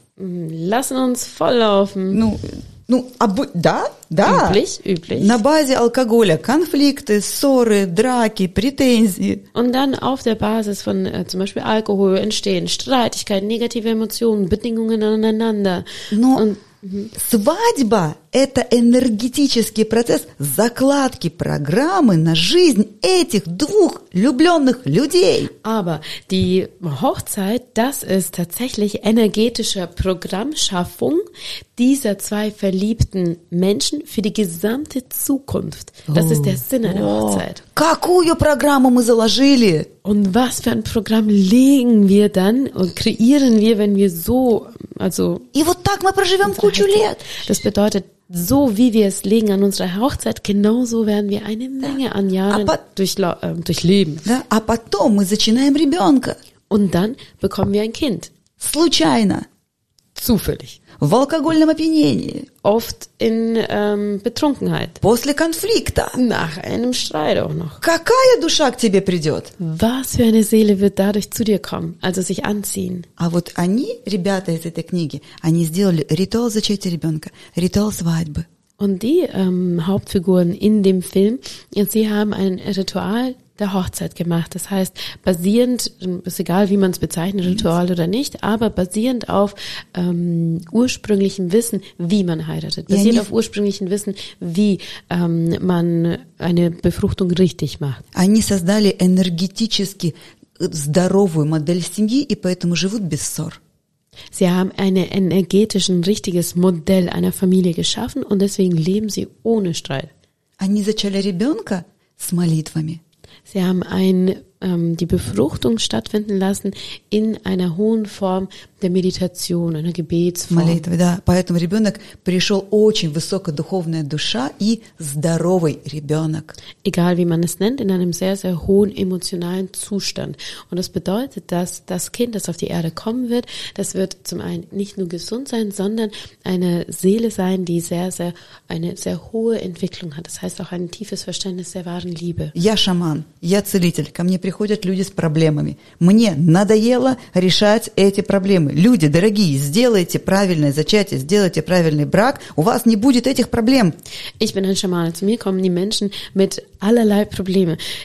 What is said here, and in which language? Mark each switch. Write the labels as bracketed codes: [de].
[de] Lassen uns volllaufen. [ru] Ну, да. [de] Üblich. [ru] На базе алкоголя конфликты, ссоры, драки, претензии. [de] Und dann auf der Basis von zum Beispiel Alkohol entstehen Streitigkeiten, negative Emotionen, Bedingungen aneinander. [ru] Но свадьба – это энергетический процесс закладки программы на жизнь этих двух влюбленных людей. [de] Aber die Hochzeit, das ist tatsächlich energetische Programmschaffung dieser zwei verliebten Menschen für die gesamte Zukunft. Das ist der Sinn einer Hochzeit. [ru] Какую программу мы заложили? [de] Und was für ein Programm legen wir dann und kreieren wir, wenn wir so, also... [ru] И вот так мы проживем кучу лет. [de] Das bedeutet, so wie wir es legen an unserer Hochzeit, genauso werden wir eine Menge an Jahren durchleben. [ru] Да, а потом мы зачинаем ребенка. [de] Und dann bekommen wir ein Kind. [ru] Случайно. [de] Zufällig. [ru] В алкогольном опьянении. [de] Oft in Betrunkenheit. [ru] После конфликта. [de] Nach einem Streit auch noch. [ru] Какая душа к тебе придет? [de] Was für eine Seele wird dadurch zu dir kommen, also sich anziehen? [ru] А вот они, ребята из этой книги, они сделали ритуал зачатия ребенка, ритуал свадьбы. [de] Und die Hauptfiguren in dem Film, sie haben ein Ritual der Hochzeit gemacht. Das heißt, basierend, ist egal, wie man es bezeichnet, Ritual oder nicht, aber basierend auf ursprünglichem Wissen, wie man heiratet. Basierend auf ursprünglichem Wissen, wie man eine Befruchtung richtig macht. [ru] Они создали энергетически здоровую модель семьи и поэтому живут без ссор. [de] Sie haben ein energetisches, richtiges Modell einer Familie geschaffen und deswegen leben sie ohne Streit. [ru] Они зачали ребенка с молитвами. [de] Sie haben die Befruchtung stattfinden lassen in einer hohen Form der Meditation, einer Gebetsform. [ru] Молитвы, да. Поэтому ребенок пришел очень высокодуховная душа и здоровый ребенок. [de] Egal wie man es nennt, in einem sehr, sehr hohen emotionalen Zustand. Und das bedeutet, dass das Kind, das auf die Erde kommen wird, das wird zum einen nicht nur gesund sein, sondern eine Seele sein, die sehr, sehr, eine sehr hohe Entwicklung hat. Das heißt auch ein tiefes Verständnis der wahren Liebe. [ru] Я шаман, я целитель. Мне приходят люди с проблемами. Мне надоело решать эти проблемы. Люди, дорогие, сделайте правильное зачатие, сделайте правильный брак, у вас не будет этих проблем. [de] Ich bin ein Schamane. Zu mir kommen die Menschen mit allerlei Problemen.